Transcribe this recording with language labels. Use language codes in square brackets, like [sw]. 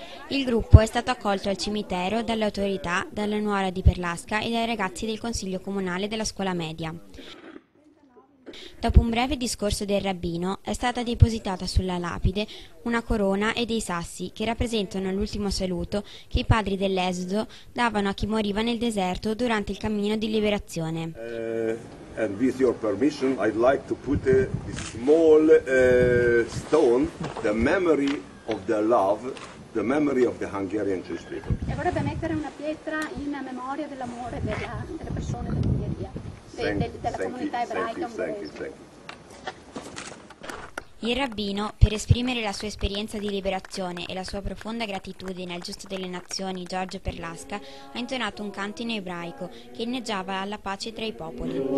[it] Il gruppo è stato accolto al cimitero dalle autorità, dalla nuora di Perlasca e dai ragazzi del consiglio comunale della scuola media. Dopo un breve discorso del rabbino, è stata depositata sulla lapide una corona e dei sassi che rappresentano l'ultimo saluto che i padri dell'Esodo davano a chi moriva nel deserto durante il cammino di liberazione. [en] And with your permission, I'd like to put a small stone, the memory of the love, the memory of the Hungarian Jewish people. [it] E vorrebbe mettere una pietra in memoria dell'amore delle persone dell'Ungheria, della comunità ebraica ungherese. Il rabbino, per esprimere la sua esperienza di liberazione e la sua profonda gratitudine al giusto delle nazioni, Giorgio Perlasca, ha intonato un canto in ebraico che inneggiava alla pace tra i popoli.